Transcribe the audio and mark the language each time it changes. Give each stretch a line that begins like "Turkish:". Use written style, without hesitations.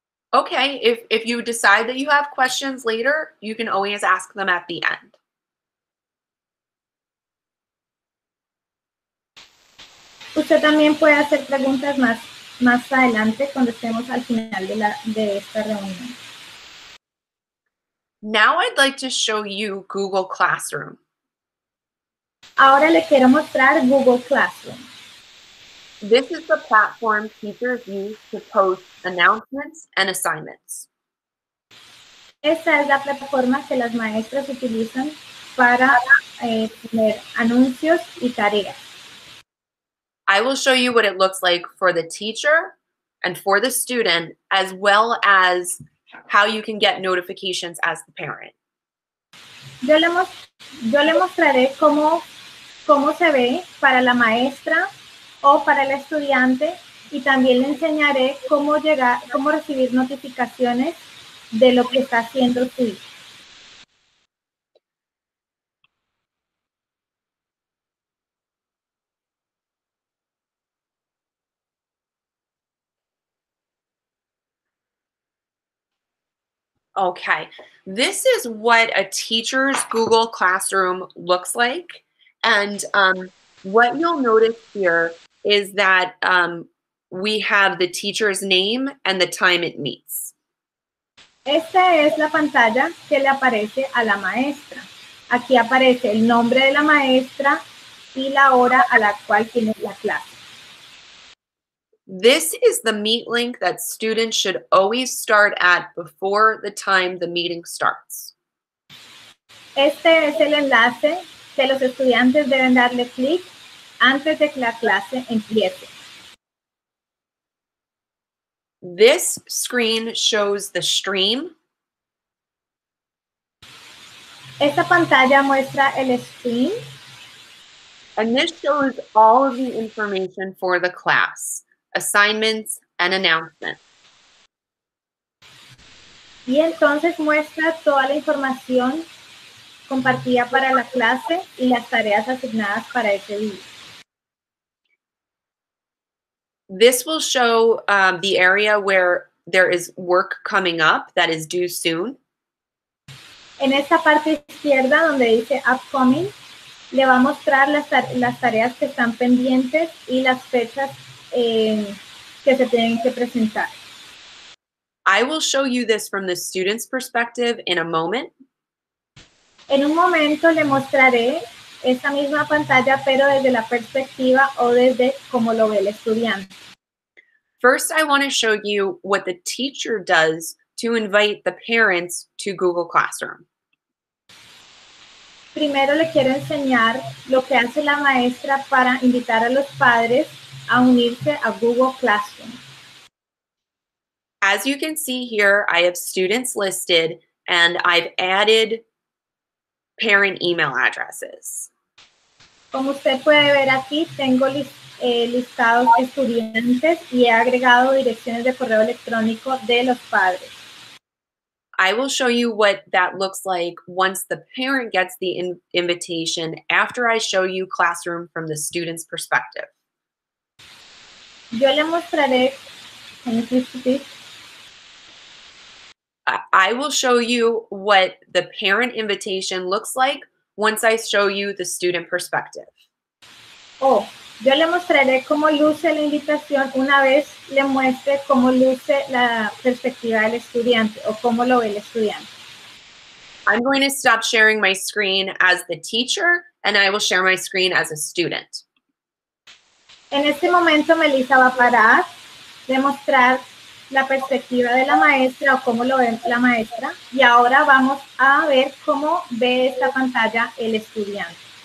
English: Okay, if you decide that you have questions later, you can always ask them at the end.
Spanish: Usted también puede hacer preguntas más adelante cuando estemos al final de esta reunión.
English: Now I'd like to show you Google Classroom.
Spanish: Ahora le quiero mostrar Google Classroom.
English: This is the platform teachers use to post announcements and assignments.
Spanish: Esta es la plataforma que las maestras utilizan para tener anuncios y tareas.
English: I will show you what it looks like for the teacher and for the student, as well as how you can get notifications as the parent.
Spanish: Yo le mostraré cómo se ve para la maestra o para el estudiante, y también le enseñaré cómo recibir notificaciones de lo que está haciendo su hijo.
English: Okay, this is what a teacher's Google Classroom looks like. And what you'll notice here is that we have the teacher's name and the time it meets.
Spanish: Esta es la pantalla que le aparece a la maestra. Aquí aparece el nombre de la maestra y la hora a la cual tiene la clase.
English: This is the meet link that students should always start at before the time the meeting starts.
Spanish: Este es el enlace que los estudiantes deben darle clic antes de que la clase empiece.
English: This screen shows the stream.
Spanish: Esta pantalla muestra el stream.
English: And this shows all of the information for the class. Assignments and announcements.
Spanish: Y entonces muestra toda la información compartida para la clase y las tareas asignadas para ese día.
English: This will show the area where there is work coming up that is due soon.
Spanish: En esta parte izquierda donde dice upcoming, le va a mostrar las tareas que están pendientes y las fechas que se tienen que presentar.
English: I will show you this from the student's perspective in a moment.
Spanish: En un momento le mostraré esta misma pantalla, pero desde la perspectiva o desde cómo lo ve el estudiante.
English: First, I want to show you what the teacher does to invite the parents to Google Classroom.
Spanish: Primero le quiero enseñar lo que hace la maestra para invitar a los padres a unirse a Google Classroom.
English: As you can see here, I have students listed and I've added parent email addresses.
Spanish: Como usted puede ver aquí, tengo listados estudiantes y he agregado direcciones de correo electrónico de los padres.
English: I will show you what that looks like once the parent gets the invitation after I show you Classroom from the student's perspective.
Spanish: Yo le mostraré,
English: can you please repeat? I will show you what the parent invitation looks like once I show you the student perspective.
Spanish: Oh, yo le mostraré cómo luce la invitación una vez le muestre cómo luce la perspectiva del estudiante o cómo lo ve el estudiante.
English: I'm going to stop sharing my screen as the teacher and I will share my screen as a student.
Spanish: En este momento, Melissa va a parar de mostrar la perspectiva de la maestra o cómo lo ve la maestra. Y ahora vamos a ver cómo ve esta pantalla el estudiante.